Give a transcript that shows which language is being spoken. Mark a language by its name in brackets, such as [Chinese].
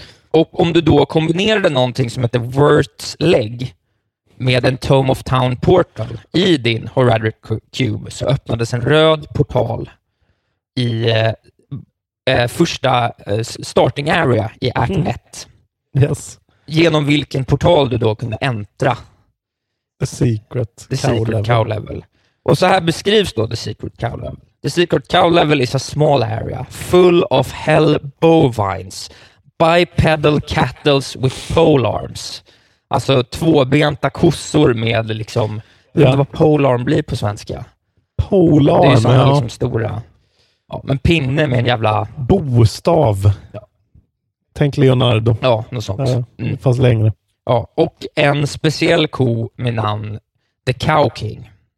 [Swedish] Och om du då kombinerade någonting som heter Wurt's Leg med en Tome of Town portal i din Horadric Cube, så öppnades en röd portal i första starting area i Act 1. [English] Yes. [Swedish] Genom vilken portal du då kunde äntra [English] The Secret, The Cow, Secret Level. Cow Level. [Swedish] Och så här beskrivs då The Secret Cow Level. [English] The Secret Cow Level is a small area full of hell bovines, bipedal cattle with pole arms. [Swedish] Alltså tvåbenta kossor med liksom, jag vet inte vad pole arm blir på svenska. [English] Pole arm, [Swedish] det är såna, ja. Liksom stora. Ja, men pinne med en jävla bostav. Ja. Tänk Leonardo. Ja, något sånt. Fast längre. Ja, och en speciell ko med namn The Cow King.